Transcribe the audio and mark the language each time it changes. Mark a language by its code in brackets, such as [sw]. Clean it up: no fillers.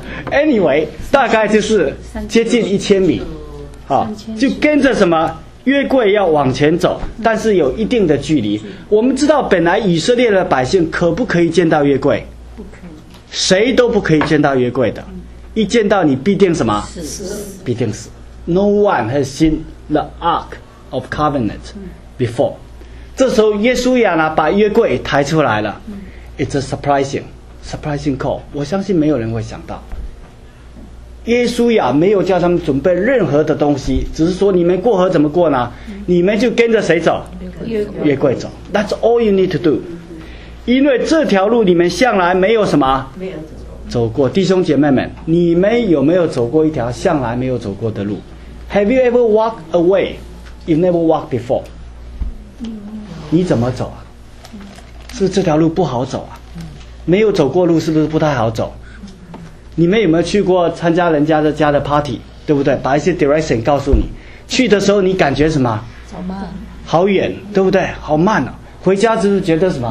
[zh] Anyway, 大概就是接近1000米。好，就跟着什么约柜要往前走，但是有一定的距离。我们知道本来以色列的百姓可不可以见到约柜？不可以。谁都不可以见到约柜的。一见到你必定什么？死。必定死。 [en] No one has seen the Ark of Covenant before. [zh] 这时候约书亚呢把约柜抬出来了。 [en] It's a surprising call， [zh] 我相信没有人会想到。耶稣呀，没有叫他们准备任何的东西，只是说你们过河怎么过呢？你们就跟着谁走？约柜走。 [en] That's all you need to do， [zh] 因为这条路你们向来没有什么，没有走过。弟兄姐妹们，你们有没有走过一条向来没有走过的路？ [en] Have you ever walked away you never walked before？ [zh] 你怎么走啊？是这条路不好走啊？没有走过路是不是不太好走？你们有没有去过参加人家的家的 party， 对不对？把一些 direction 告诉你，去的时候你感觉什么？好慢，好远，对不对？好慢啊！回家就是觉得什么？